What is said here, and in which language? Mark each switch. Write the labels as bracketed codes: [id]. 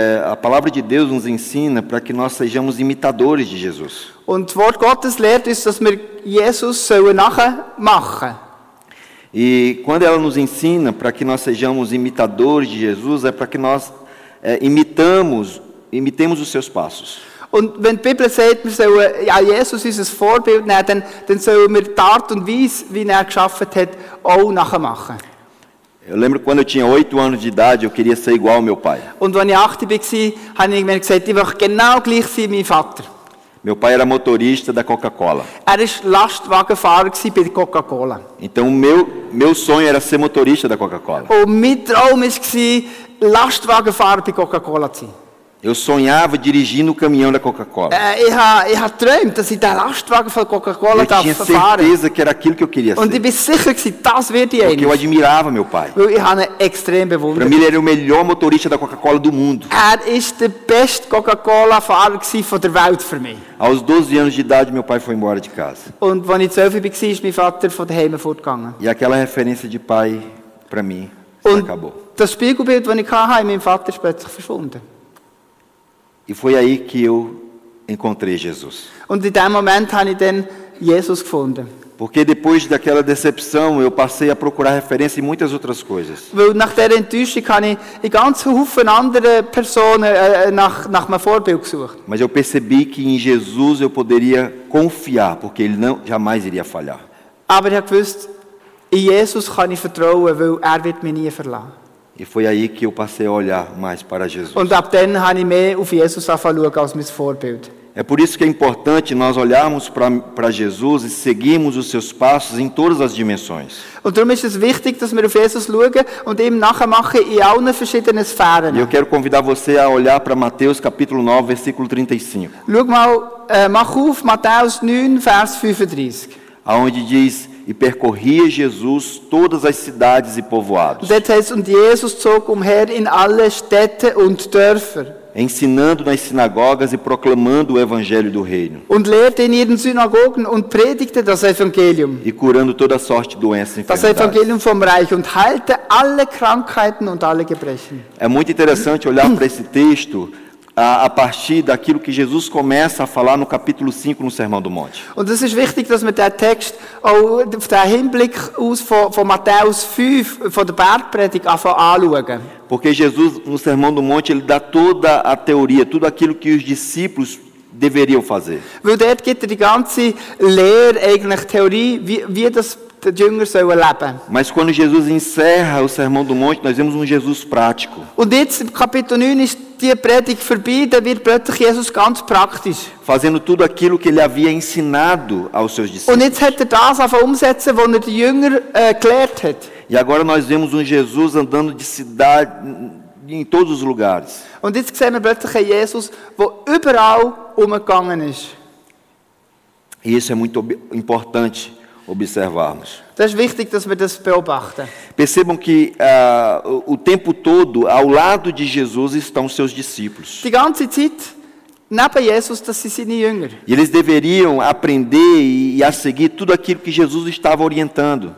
[pt] A palavra de Deus nos ensina para que nós sejamos imitadores de Jesus. [de] Und das Wort Gottes lehrt uns, dass wir Jesus sollen nachmachen. [pt] E quando ela nos ensina para que nós sejamos imitadores de Jesus, é para que nós imitemos os seus passos. [de] Und wenn die Bibel sagt, wir sollen ja, Jesus unser Vorbild nehmen, dann sollen wir die Art und Weise, wie er geschaffen hat, auch nachmachen. [pt] Eu lembro quando eu tinha 8 anos de idade, eu queria ser igual ao meu pai. [de] Und als ich 8 war, habe ich mir gesagt, ich möchte genau gleich sein wie mein Vater. [pt] Meu pai era motorista da Coca-Cola. [de] Er war Lastwagenfahrer bei Coca-Cola. [pt] Então meu sonho era ser motorista da Coca-Cola. [de] Und mein Traum war, Lastwagenfahrer bei Coca-Cola zu sein. [pt] Eu sonhava dirigindo o caminhão da Coca-Cola. [de] Ich habe geträumt, dass ich den Lastwagen von Coca-Cola fahren darf. [pt] Eu tinha certeza que era aquilo que eu queria ser. [de] Und ich bin sicher, dass das wird ich. [pt] Porque eu admirava meu pai. [de] Weil ich habe ihn extrem bewundert. [pt] Para mim, ele era o melhor motorista da Coca-Cola do mundo. [de] Er war der beste Coca-Cola-Fahrer von der Welt für mich. [pt] Aos 12 anos de idade, meu pai foi embora de casa. [de] Und als ich 12 war, ist mein Vater von daheim fortgegangen. [pt] E aquela referência de pai, para mim, [de] und [pt] acabou. [de] Das Spiegelbild, das ich hatte, mein Vater ist plötzlich verschwunden. [pt] E foi aí que eu encontrei Jesus. [de] Und in dem Moment habe ich dann Jesus gefunden. [pt] Porque depois daquela decepção, eu passei a procurar referência em muitas outras coisas. [de] Weil nach dieser Enttäuschung habe ich in ganz Haufen anderen Personen nach einem Vorbild gesucht. [pt] Mas eu percebi que em Jesus eu poderia confiar, porque ele não jamais iria falhar. [de] Aber ich wusste, in Jesus kann ich vertrauen, weil er wird mich nie verlassen. [pt] E foi aí que eu passei a olhar mais para Jesus. [de] Und ab dann habe ich mehr auf Jesus angefangen zu schauen als mein Vorbild. [pt] É por isso que é importante nós olharmos para Jesus e seguirmos os seus passos em todas as dimensões. [de] Und darum ist es wichtig, dass wir auf Jesus schauen und ihm nachmachen in allen verschiedenen Sphären. [pt] E eu quero convidar você a olhar para Mateus capítulo 9, versículo 35. [de] Schau mal, mach auf Mateus 9, Vers 35. [pt] Aonde diz: e percorria Jesus todas as cidades e povoados. [de] Dort heißt, und Jesus zog umher in alle Städte und Dörfer. [pt] Ensinando nas sinagogas e proclamando o evangelho do reino. [de] Und lehrte in ihren Synagogen und predigte das Evangelium. [pt] E curando toda sorte de doenças e enfermidades. [de] Das Evangelium vom Reich und heilte alle Krankheiten und alle Gebrechen. [pt] É muito interessante olhar para esse texto a partir daquilo que Jesus começa a falar no capítulo 5 no Sermão do Monte. [de] Und es ist wichtig, dass wir diesen Text auf den Hinblick aus von Matthäus 5 von der Bergpredigt anschauen. [pt] Porque Jesus no Sermão do Monte ele dá toda a teoria, tudo aquilo que os discípulos deveriam fazer. [de] Weil dort gibt er die ganze Lehre, eigentlich Theorie, wie das die Jünger sollen leben. [pt] Mas quando Jesus encerra o Sermão do Monte, nós vemos Jesus prático. [de] Und jetzt im Kapitel 9 ist die Predigt vorbei, da wird plötzlich Jesus ganz praktisch. [pt] Fazendo tudo aquilo que ele havia ensinado aos seus discípulos. [de] Und jetzt hat er das angefangen umsetzen, was er den Jüngern gelehrt hat. [pt] E agora nós vemos Jesus andando de cidade em todos os lugares. [de] Und jetzt sehen wir plötzlich einen Jesus, der überall umgegangen ist. [pt] E isso é muito importante observarmos. [de] Das ist wichtig, dass wir das beobachten. [pt] Percebam que o tempo todo ao lado de Jesus estão seus discípulos. [de] Die ganze Zeit neben Jesus, dass sie seine Jünger. [pt] E eles deveriam aprender e a seguir tudo aquilo que Jesus estava orientando.